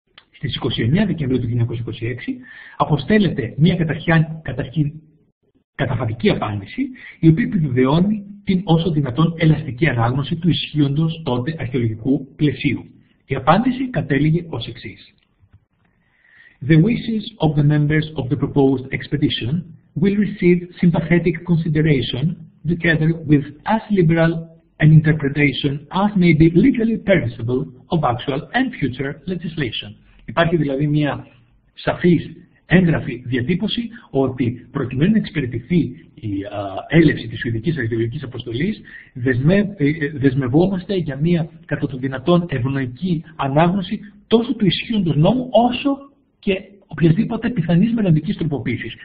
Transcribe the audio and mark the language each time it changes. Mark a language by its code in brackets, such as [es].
[el] Στις 29 Δεκεμβρίου του 1926 αποστέλλεται μια καταρχήν καταφατική απάντηση, η οποία επιβεβαιώνει την όσο δυνατόν ελαστική ανάγνωση του ισχύοντος τότε αρχαιολογικού πλαισίου. Η απάντηση κατέληγε ως εξής. [en] The wishes of the members of the proposed expedition will receive sympathetic consideration together with as liberal an interpretation as may be legally permissible of actual and future legislation. [el] Υπάρχει δηλαδή μια σαφής έγγραφη διατύπωση ότι προκειμένου να εξυπηρετηθεί η έλευση της Σουηδικής Αρχαιολογικής Αποστολής, δεσμευόμαστε για μια κατά το δυνατόν ευνοϊκή ανάγνωση τόσο του ισχύοντος νόμου όσο και οποιασδήποτε πιθανής μελλοντικής τροποποίησης.